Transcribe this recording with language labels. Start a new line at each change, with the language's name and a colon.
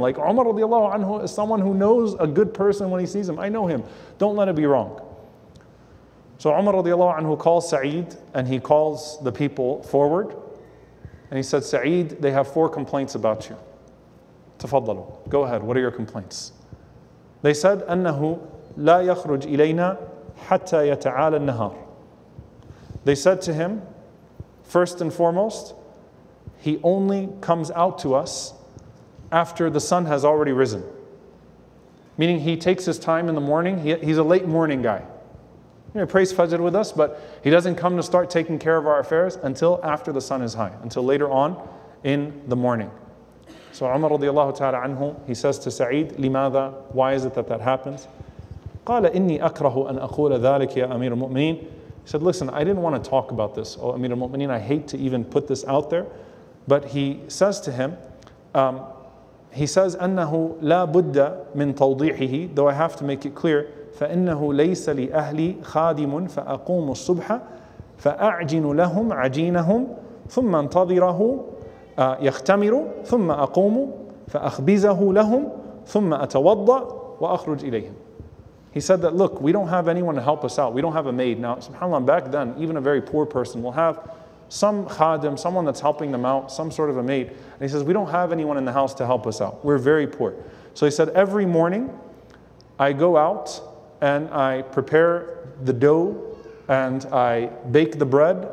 English: Like, Umar radiallahu anhu is someone who knows a good person when he sees him. I know him. Don't let it be wrong. So Umar radiallahu anhu calls Sa'id and he calls the people forward. And he said, Sa'id, they have 4 complaints about you. Tafaddalu. Go ahead. What are your complaints? They said,
Arabic: أَنَّهُ لَا يَخْرُجْ إِلَيْنَا حَتَّى يَتَعَالَ النَّهَارِ.
English: They said to him, first and foremost, he only comes out to us after the sun has already risen. Meaning he takes his time in the morning. He's a late morning guy. You know, he prays Fajr with us, but he doesn't come to start taking care of our affairs until after the sun is high, until later on in the morning. So Umar radiallahu ta'ala anhu, he says to Saeed, لماذا? Why is it that that happens?
Arabic: قال إني أكره أن أقول ذلك يا أمير المؤمنين.
English: He said, listen, I didn't want to talk about this, O Amir al-Mu'mineen. I hate to even put this out there. But he says to him, he says,
Arabic: أَنَّهُ لَا بُدَّ مِن تَوْضِيحِهِ.
English: Though I have to make it clear,
Arabic: فَإِنَّهُ لَيْسَ لِأَهْلِي خَادِمٌ فَأَقُومُ الصُّبْحَ فَأَعْجِنُ لَهُمْ عَجِينَهُمْ ثُمَّ انْتَظِرَهُ يَخْتَمِرُ ثُمَّ أَقُومُ فَأَخْبِزَهُ لَهُمْ ثُمَّ أَتَوَضَّ وَأَخْرُجْ إِلَيْهِمْ.
English: He said that, look, we don't have anyone to help us out. We don't have a maid. Now, subhanAllah, back then, even a very poor person will have some khadim, someone that's helping them out, some sort of a maid. And he says, we don't have anyone in the house to help us out. We're very poor. So he said, every morning, I go out and I prepare the dough and I bake the bread.